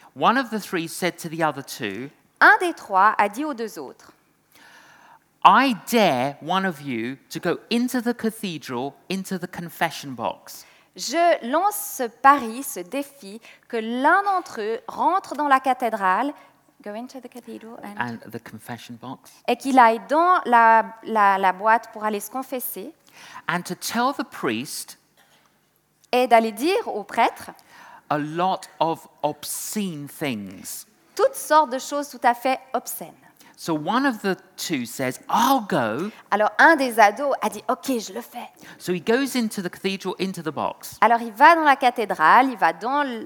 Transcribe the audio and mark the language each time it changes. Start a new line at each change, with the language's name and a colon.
English: One of the three said to the other two,
French: un des trois a dit aux deux autres,
English: "I dare one of you to go into the cathedral, into the confession box."
French: Je lance ce pari, ce défi, que l'un d'entre eux rentre dans la cathédrale,
English: go into the cathedral and the confession box,
French: et qu'il aille dans la boîte pour aller se confesser,
English: and to tell the priest,
French: et d'aller dire au prêtre,
English: a lot of obscene things,
French: toutes sortes de choses tout à fait obscènes.
English: So one of the two says, "I'll go."
French: Alors un des ados a dit, "OK, je le fais."
English: So he goes into the cathedral, into the box.
French: Alors il va dans la cathédrale, il va dans